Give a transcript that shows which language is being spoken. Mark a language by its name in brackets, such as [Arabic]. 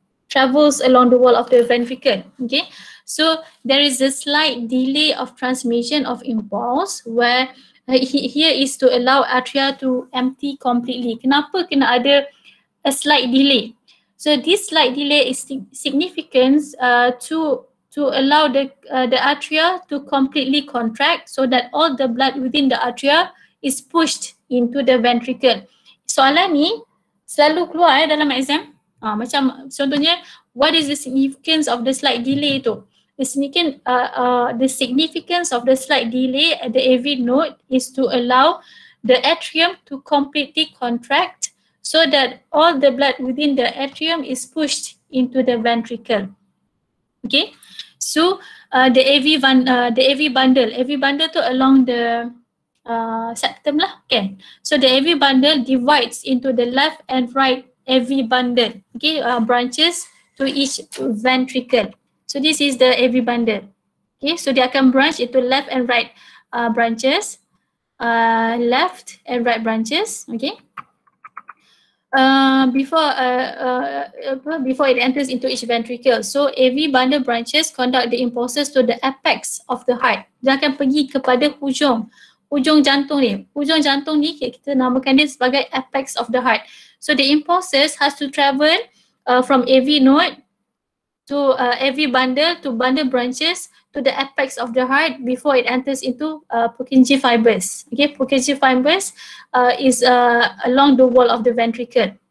[English] travels along the wall of the ventricle. Okay, so there is a slight delay of transmission of impulse where here is to allow atria to empty completely. [Malay] Kenapa kena ada [English] a slight delay? So this slight delay is significant to allow the atria to completely contract so that all the blood within the atria is pushed into the ventricle. [Malay] Soalan ni selalu keluar dalam exam. Macam contohnya, [English] what is the significance of the slight delay tu? The significance of the slight delay at the AV node is to allow the atrium to completely contract so that all the blood within the atrium is pushed into the ventricle. Okay, so the AV bundle tu along the septum lah, kan? So the AV bundle divides into the left and right AV bundle, okay, branches to each ventricle. So this is the AV bundle. Okay, so dia akan branch into left and right branches, left and right branches, okay. Before it enters into each ventricle, so AV bundle branches conduct the impulses to the apex of the heart. [Malay] Dia akan pergi kepada hujung. Hujung jantung ni kita namakan dia sebagai apex of the heart. [English] So the impulses has to travel from AV node to AV bundle to bundle branches to the apex of the heart before it enters into Purkinje fibers. Okay, Purkinje fibers is along the wall of the ventricle.